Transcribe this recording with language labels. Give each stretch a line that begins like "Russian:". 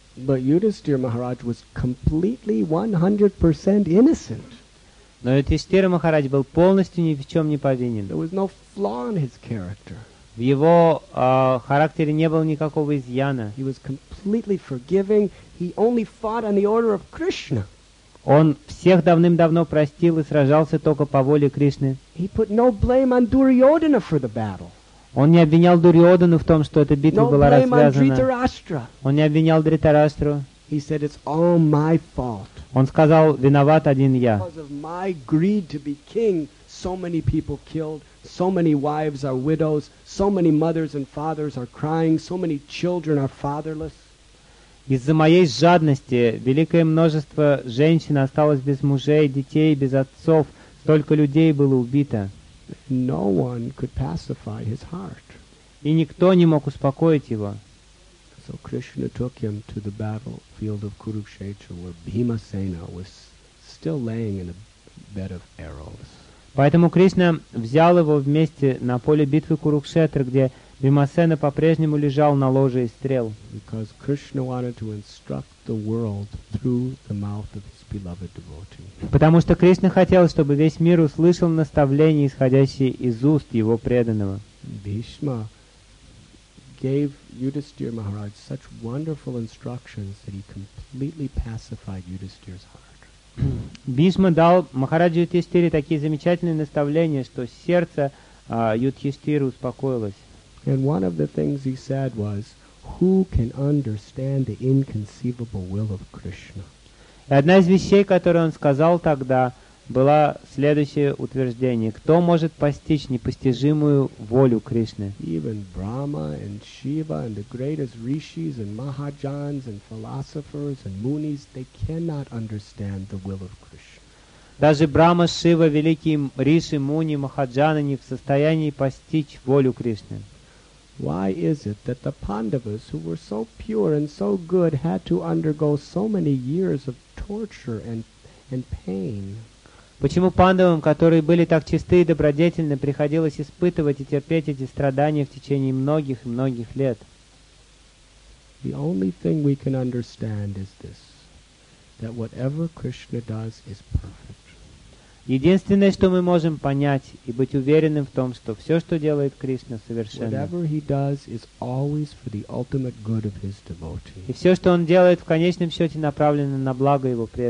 English: But Yudhishthira Maharaj was completely 100% innocent.
Russian: Но Yudhishthira Maharaj был полностью ни в чем не повинен.
English: There was no flaw in his character.
Russian: В его характере не было никакого изъяна.
English: He was completely forgiving. He only fought on the order of Krishna.
Russian: Он всех давным-давно простил и сражался только по воле Кришны.
English: He put no blame on Duryodhana for the battle.
Russian: Он не обвинял Дурьодану в том, что эта битва
English: no
Russian: была развязана. Он не обвинял Дритарастру.
English: He said, it's all my fault.
Russian: Он сказал, виноват один я.
English: Because of my greed to be king, so many people killed, so many wives are widows, so many mothers and fathers are crying, so many children are fatherless.
Russian: Из-за моей жадности великое множество женщин осталось без мужей, детей, без отцов. Столько людей было убито.
English: No one could pacify his heart.
Russian: И никто не мог успокоить его.
English: So Krishna took him to the battlefield of Kurukshetra, where Bhimasena was still laying in a bed of arrows.
Russian: Поэтому Кришна взял его вместе на поле битвы Курукшетра, где Бхимасена по-прежнему лежал на ложе из стрел.
English: Because Krishna wanted to instruct the world through the mouth of his beloved devotee.
Russian: Потому что Кришна хотел, чтобы весь мир услышал наставление, исходящее из уст его преданного.
English: Bhishma gave Yudhishthira Maharaj such wonderful instructions that he completely pacified Yudhishthira's heart.
Russian: Bhishma дал Махараджу Юдхиштхире такие замечательные наставления, что сердце Юдхиштхиры успокоилось.
English: And one of the things he said was, who can understand the inconceivable will of Krishna?
Russian: И одна из вещей, которую он сказал тогда, было следующее утверждение. Кто может постичь непостижимую волю Кришны?
English: Even Brahma and Shiva and the greatest rishis and mahajans and philosophers and munis, they cannot understand the will of Krishna.
Russian: Даже Брама, Шива, великие риши, муни, махаджаны не в состоянии постичь волю Кришны.
English: Why is it that the Pandavas, who were so pure and so good, had to undergo so many years of torture and pain?
Russian: Почему пандавам, которые были так чисты и добродетельны, приходилось испытывать и терпеть эти страдания в течение многих и многих лет?
English: The only thing we can understand is this, that whatever Krishna does is perfect.
Russian: Единственное, что мы можем понять и быть уверенным в том, что все, что делает Кришна, совершенно. И все, что он делает, в конечном счете направлено на благо его